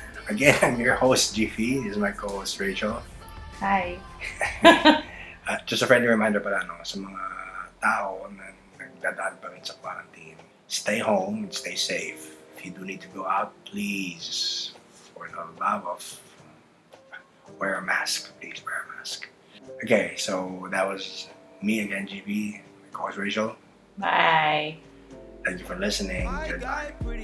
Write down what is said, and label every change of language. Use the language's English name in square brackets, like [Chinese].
[English] Again, I'm your host, Jiffy. This is my co-host, Rachel. Hi. just a friendly reminder [Filipino] pala, no? Sa mga tao na nagdadaan pa rin sa quarantine. [English] Stay home and stay safe. If you do need to go out, please, for the love of, wear a mask. Please wear a mask. Okay, so that was me again, GB. My co-host Rachel. Bye. Thank you for listening. Good night.